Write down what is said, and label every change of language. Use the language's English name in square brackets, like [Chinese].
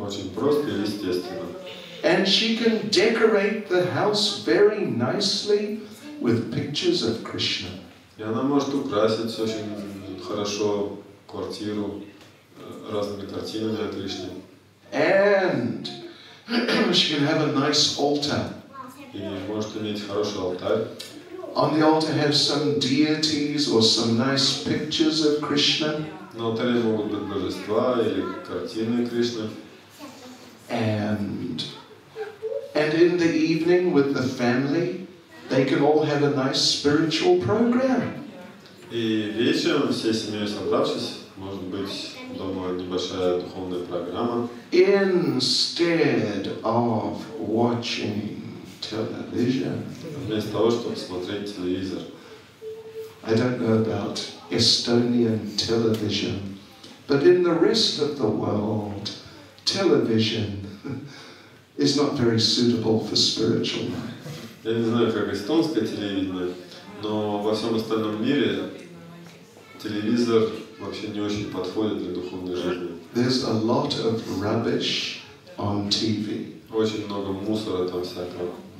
[Russian] Очень просто и естественно. [English] And she can decorate the house very nicely with pictures of Krishna. [Russian] И она может украсить очень хорошо квартиру разными картинами о Кришне. [English] And she can have a nice altar. [Russian] И может иметь хороший алтарь. [English] On the altar have some deities or some nice pictures of Krishna. [Russian] На алтаре могут быть божества или картины Кришны. [English] And in the evening with the family, they can all have a nice spiritual program. [Russian] И вечером всей семьей собравшись, может быть дома небольшая духовная программа. [English] Instead of watching television. [Russian] Вместо того, чтобы смотреть телевизор. [English] I don't know about Estonian television, but in the rest of the world, television is not very suitable for spiritual life. [Russian] Я не знаю, как эстонское телевидение, но во всем остальном мире телевизор вообще не очень подходит для духовной жизни. [English] There's a lot of rubbish on TV. [Russian] Очень много мусора там всякого.